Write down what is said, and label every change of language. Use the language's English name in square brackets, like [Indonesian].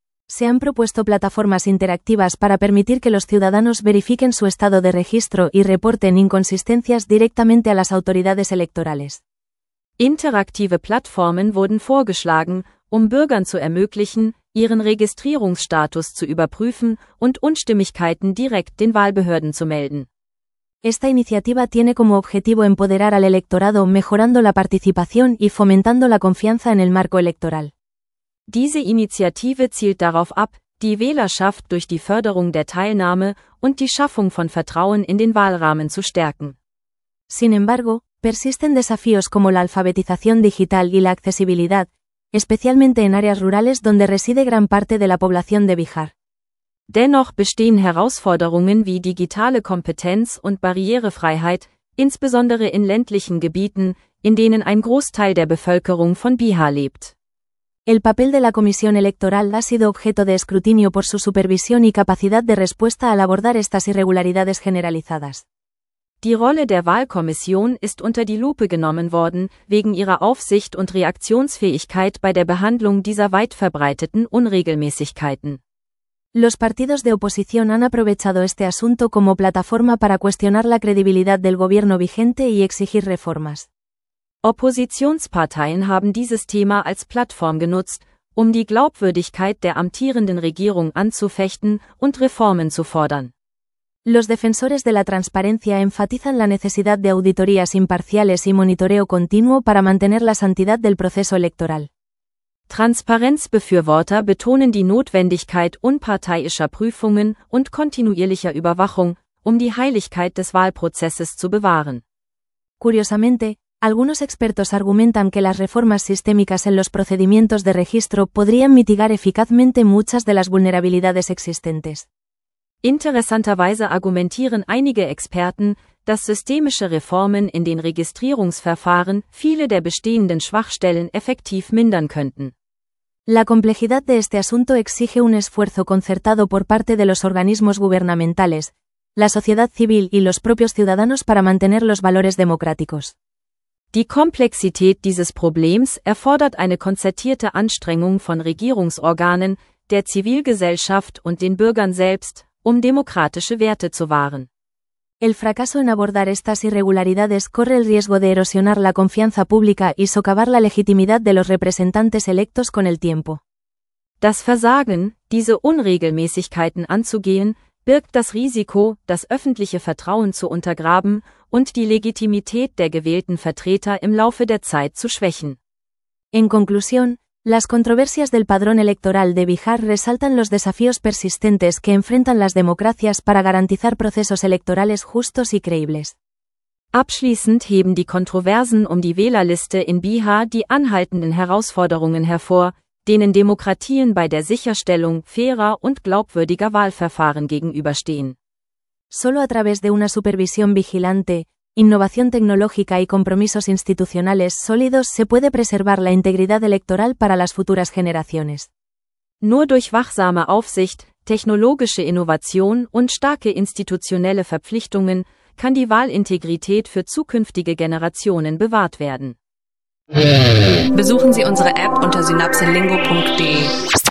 [Spanish] Se han propuesto plataformas interactivas para permitir que los ciudadanos verifiquen su estado de registro y reporten inconsistencias directamente a las autoridades electorales. [German] Interaktive Plattformen wurden vorgeschlagen, um Bürgern zu ermöglichen, ihren Registrierungsstatus zu überprüfen und Unstimmigkeiten direkt den Wahlbehörden zu melden. [Spanish] Esta iniciativa tiene como objetivo empoderar al electorado mejorando la participación y fomentando la confianza en el marco electoral. [German] Diese Initiative zielt darauf ab, die Wählerschaft durch die Förderung der Teilnahme und die Schaffung von Vertrauen in den Wahlrahmen zu stärken. [Spanish] Sin embargo, persisten desafíos como la alfabetización digital y la accesibilidad, especialmente en áreas rurales donde reside gran parte de la población de Bihar. [German] Dennoch bestehen Herausforderungen wie digitale Kompetenz und Barrierefreiheit, insbesondere in ländlichen Gebieten, in denen ein Großteil der Bevölkerung von Bihar lebt. [Spanish] El papel de la Comisión Electoral ha sido objeto de escrutinio por su supervisión y capacidad de respuesta al abordar estas irregularidades generalizadas. [German] Die Rolle der Wahlkommission ist unter die Lupe genommen worden, wegen ihrer Aufsicht und Reaktionsfähigkeit bei der Behandlung dieser weit verbreiteten Unregelmäßigkeiten. [Spanish] Los partidos de oposición han aprovechado este asunto como plataforma para cuestionar la credibilidad del gobierno vigente y exigir reformas. [German] Oppositionsparteien haben dieses Thema als Plattform genutzt, um die Glaubwürdigkeit der amtierenden Regierung anzufechten und Reformen zu fordern. [Spanish] Los defensores de la transparencia enfatizan la necesidad de auditorías imparciales y monitoreo continuo para mantener la santidad del proceso electoral. [German] Transparenzbefürworter betonen die Notwendigkeit unparteiischer Prüfungen und kontinuierlicher Überwachung, um die Heiligkeit des Wahlprozesses zu bewahren. [Spanish] Curiosamente, algunos expertos argumentan que las reformas sistémicas en los procedimientos de registro podrían mitigar eficazmente muchas de las vulnerabilidades existentes. [German] Interessanterweise argumentieren einige Experten, dass systemische Reformen in den Registrierungsverfahren viele der bestehenden Schwachstellen effektiv mindern könnten. [Spanish] La complejidad de este asunto exige un esfuerzo concertado por parte de los organismos gubernamentales, la sociedad civil y los propios ciudadanos para mantener los valores democráticos. [German] Die Komplexität dieses Problems erfordert eine konzertierte Anstrengung von Regierungsorganen, der Zivilgesellschaft und den Bürgern selbst, um demokratische Werte zu wahren. [Spanish] El fracaso en abordar estas irregularidades corre el riesgo de erosionar la confianza pública y socavar la legitimidad de los representantes electos con el tiempo. [German] Das Versagen, diese Unregelmäßigkeiten anzugehen, birgt das Risiko, das öffentliche Vertrauen zu untergraben und die Legitimität der gewählten Vertreter im Laufe der Zeit zu schwächen. [Spanish] En conclusión, las controversias del padrón electoral de Bihar resaltan los desafíos persistentes que enfrentan las democracias para garantizar procesos electorales justos y creíbles. [German] Abschließend heben die Kontroversen um die Wählerliste in Bihar die anhaltenden Herausforderungen hervor, denen Demokratien bei der Sicherstellung fairer und glaubwürdiger Wahlverfahren gegenüberstehen. [Spanish] Solo a través de una supervisión vigilante, innovación tecnológica y compromisos institucionales sólidos se puede preservar la integridad electoral para las futuras generaciones. [German] Nur durch wachsame Aufsicht, technologische Innovation und starke institutionelle Verpflichtungen kann die Wahlintegrität für zukünftige Generationen bewahrt werden. Besuchen Sie unsere App unter synapselingo.de.